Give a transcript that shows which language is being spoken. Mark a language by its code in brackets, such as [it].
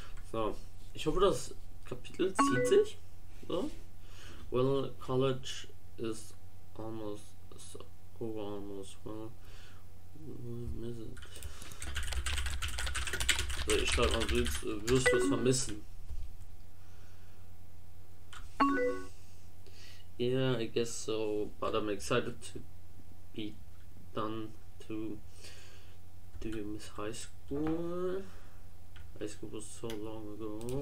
[de] So, ich hoffe, das Kapitel zieht sich. So. [en] Well, college is almost so over almost. Well, miss it. [de] So, ich schreibe mal, wirst du es vermissen? [en] Yeah, I guess so, but I'm excited to be done too. Do you miss high school? High school was so long ago.